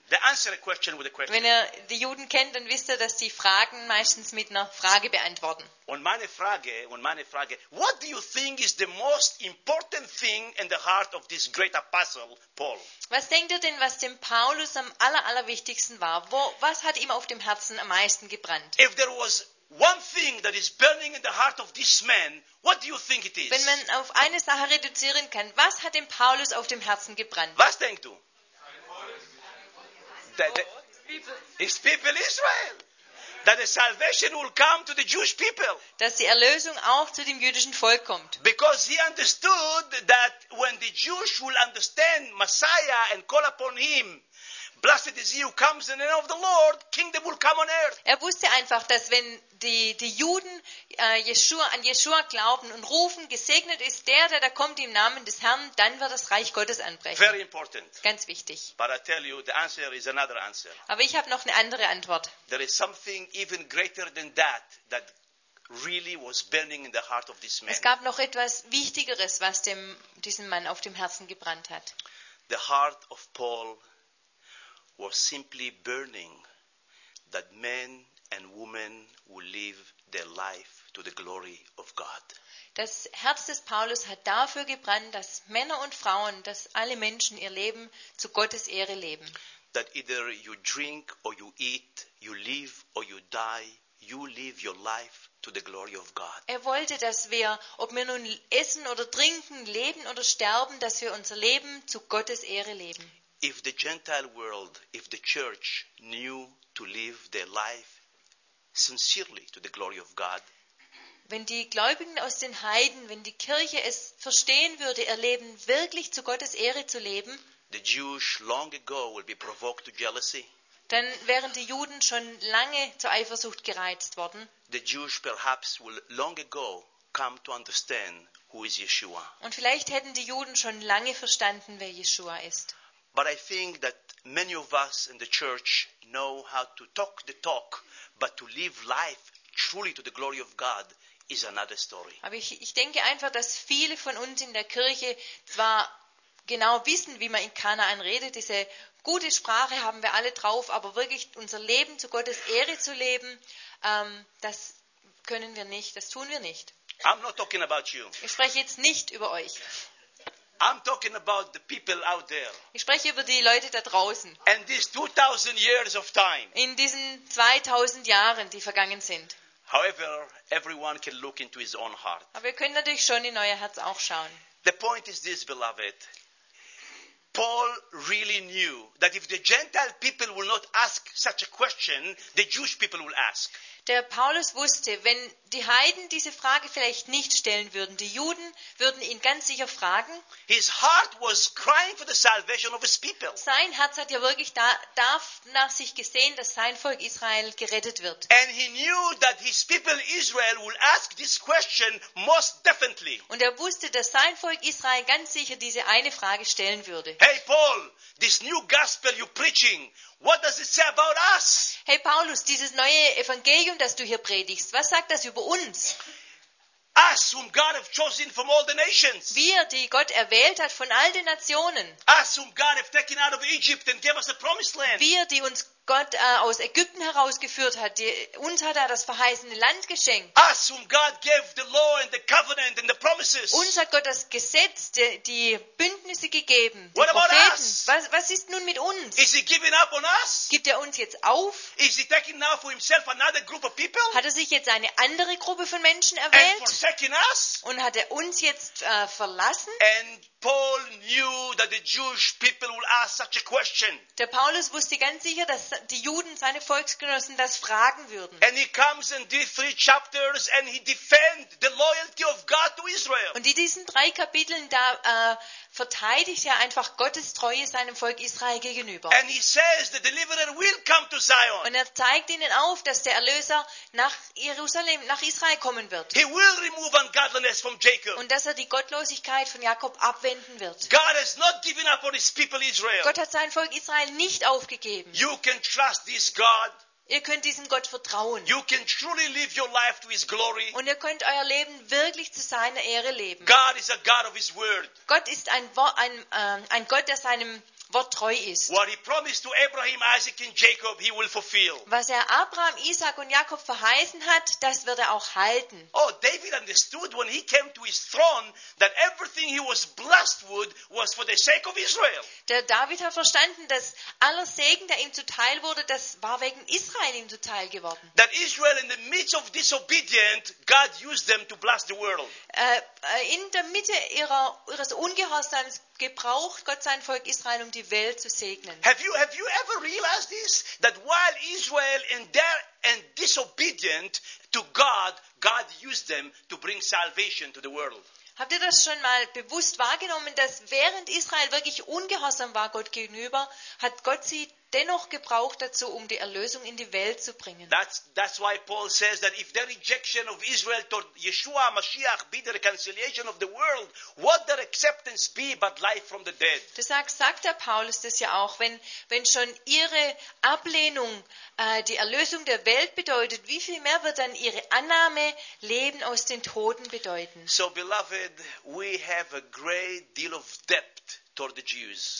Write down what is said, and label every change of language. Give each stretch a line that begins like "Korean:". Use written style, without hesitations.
English: They answer a question with a question.
German: Wenn ihr die Juden kennt, dann wisst ihr, dass sie Fragen meistens mit einer Frage beantworten. Und meine Frage,
English: what do you think is the most important thing in the heart of this great apostle, Paul?
German: Was denkt ihr denn, was dem Paulus am allerwichtigsten war? Was hat ihm auf dem Herzen am meisten gebrannt?
English: If there was one thing that is burning in the heart of this man, what do you think it is?
German: Wenn man auf eine Sache reduzieren kann, was hat dem Paulus auf dem Herzen gebrannt? Was denkst du?
English: His people Israel. That the salvation will come to the Jewish people.
German: Dass die Erlösung auch zu dem jüdischen Volk kommt.
English: Because he understood that when the Jews will understand Messiah and call upon him, blessed is he who comes in the name of the Lord, kingdom will come on earth.
German: Er wusste einfach, dass wenn die Juden an Jeshua glauben und rufen, gesegnet ist der da kommt im Namen des Herrn, dann wird das Reich Gottes anbrechen.
English: Very important.
German: Ganz wichtig.
English: But I tell you, the answer is another answer.
German: Aber ich habe noch eine andere Antwort.
English: There is something even greater than that, that really was burning in the heart of this man.
German: Es gab noch etwas Wichtigeres, was diesem Mann auf dem Herzen gebrannt hat.
English: The heart of Paul was simply burning that men and women will live their life to the glory of God.
German: Das Herz des Paulus hat dafür gebrannt, dass Männer und Frauen, dass alle Menschen ihr Leben zu Gottes Ehre leben.
English: That either you drink or you eat, you live or you die, you live your life to the glory of God.
German: Er wollte, dass wir, ob wir nun essen oder trinken, leben oder sterben, dass wir unser Leben zu Gottes Ehre leben.
English: If the Gentile world, if the church knew to live their life sincerely to the glory of God,
German: wenn die Gläubigen aus den Heiden, wenn die Kirche es verstehen würde, ihr Leben wirklich zu Gottes Ehre zu leben,
English: the Jews long ago will be provoked to jealousy.
German: Dann wären die Juden schon lange zur Eifersucht gereizt worden.
English: The Jews perhaps will long ago come to understand who is Yeshua.
German: Und vielleicht hätten die Juden schon lange verstanden, wer Yeshua ist.
English: But I think that many of us in the church know how to talk the talk, but to live life truly to the glory of God is another story.
German: Aber ich denke einfach, dass viele von uns in der Kirche zwar genau wissen, wie man in Kanaan redet, diese gute Sprache haben wir alle drauf, aber wirklich unser Leben zu Gottes Ehre zu leben, das können wir nicht, das tun wir nicht.
English: I'm not talking about you.
German: Ich spreche jetzt nicht über euch.
English: I'm talking about the people out there.
German: Ich spreche über die Leute da draußen.
English: And these 2000 years of time.
German: In diesen 2000 Jahren, die vergangen sind.
English: However, everyone can look into his own heart.
German: Aber wir können natürlich schon in euer Herz auch schauen.
English: The point is this, beloved. Paul really knew that if the Gentile people will not ask such a question, the Jewish people will ask.
German: Der Paulus wusste, wenn die Heiden diese Frage vielleicht nicht stellen würden, die Juden würden ihn ganz sicher fragen.
English: His heart was crying for the salvation of his people.
German: Sein Herz hat ja wirklich nach sich gesehen, dass sein Volk Israel gerettet wird.
English: And he knew that his people Israel will ask this question most definitely.
German: Und er wusste, dass sein Volk Israel ganz sicher diese eine Frage stellen würde.
English: Hey Paul, this new gospel you're preaching. What does it say about us?
German: Hey Paulus, dieses neue Evangelium, das du hier predigst, was sagt das über uns?
English: Us whom God have chosen from all the nations.
German: Wir, die Gott erwählt hat von all den Nationen.
English: Us whom God have taken out of Egypt and gave us the promised land.
German: Wir, die uns Gott aus Ägypten herausgeführt hat, uns hat er das verheißene Land geschenkt.
English: Us whom God gave the law and the covenant and the promises.
German: Uns hat Gott das Gesetz, die Bündnisse gegeben, die Propheten.
English: What about us?
German: Was ist nun mit uns?
English: Is he giving up on us?
German: Gibt er uns jetzt auf?
English: Is he taking now for himself another group of people?
German: Hat er sich jetzt eine andere Gruppe von Menschen erwählt?
English: And forsaking us?
German: Und hat er uns jetzt verlassen?
English: And Paul knew that the Jewish people will ask such a question.
German: Der Paulus wusste ganz sicher, dass die Juden, seine Volksgenossen, das fragen würden.
English: And he comes in these three chapters and he defends the loyalty of God to Israel.
German: Und in diesen drei Kapiteln da verteidigt er einfach Gottes Treue seinem Volk Israel gegenüber.
English: And he says the deliverer will come to Zion.
German: Und er zeigt ihnen auf, dass der Erlöser nach Jerusalem, nach Israel kommen wird.
English: He will remove ungodliness from Jacob.
German: Und dass er die Gottlosigkeit von Jakob abwenden wird.
English: God has not given up on his people Israel.
German: Gott hat sein Volk Israel nicht aufgegeben.
English: You can trust this God.
German: Ihr könnt diesem Gott vertrauen.
English: You can truly live your life to his glory.
German: Und ihr könnt euer Leben wirklich zu seiner Ehre leben.
English: God is a God of his word.
German: Gott ist ein Gott, der seinem Wort treu ist.
English: What he promised to Abraham, Isaac and Jacob, he will fulfill.
German: Was er Abraham, Isaac und Jakob verheißen hat, das wird er auch halten.
English: Oh, David understood when he came to his throne that everything he was blessed with was for the sake of Israel.
German: Der David hat verstanden, dass aller Segen, der ihm zuteil wurde, das war wegen Israel ihm zuteil geworden.
English: That Israel in the midst of disobedient, God used them to bless the world.
German: In der Mitte ihres Ungehorsams gebraucht Gott sein Volk Israel, um die Welt zu segnen.
English: Have you ever realized this, that while Israel in their and disobedient to God, God used them to bring salvation to the world?
German: Habt ihr das schon mal bewusst wahrgenommen, dass während Israel wirklich ungehorsam war Gott gegenüber, hat Gott sie dennoch gebraucht dazu, um die Erlösung in die Welt zu bringen.
English: That's why Paul says that if the rejection of Israel toward Yeshua Mashiach be the reconciliation of the world, what their acceptance be but life from the dead.
German: Deshalb sagt der Paulus das ja auch, wenn schon ihre Ablehnung die Erlösung der Welt bedeutet, wie viel mehr wird dann ihre Annahme Leben aus den Toten bedeuten?
English: So beloved, we have a great deal of debt toward the Jews.